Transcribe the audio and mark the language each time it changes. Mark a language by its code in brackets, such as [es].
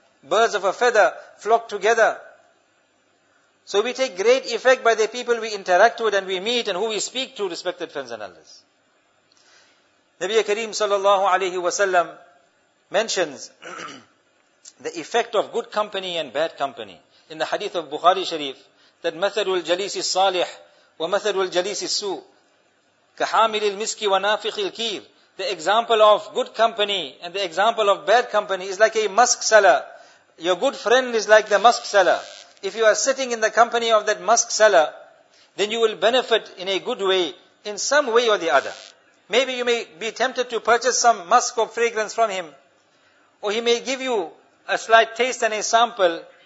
[en] Birds of a feather flock together. So we take great effect by the people we interact with and we meet and who we speak to, respected friends and elders. Nabi Kareem sallallahu alayhi wa sallam mentions the effect of good company and bad company. In the hadith of Bukhari Sharif, that [ar] مَثَلُ الْجَلِيسِ الصَّالِحِ وَمَثَلُ الْجَلِيسِ السُّءِ كَحَامِلِ الْمِسْكِ وَنَافِقِ الْكِيرِ. [en] The example of good company and the example of bad company is like a musk seller. Your good friend is like the musk seller. If you are sitting in the company of that musk seller, then you will benefit in a good way, in some way or the other. Maybe you may be tempted to purchase some musk or fragrance from him, or he may give you a slight taste and a sample.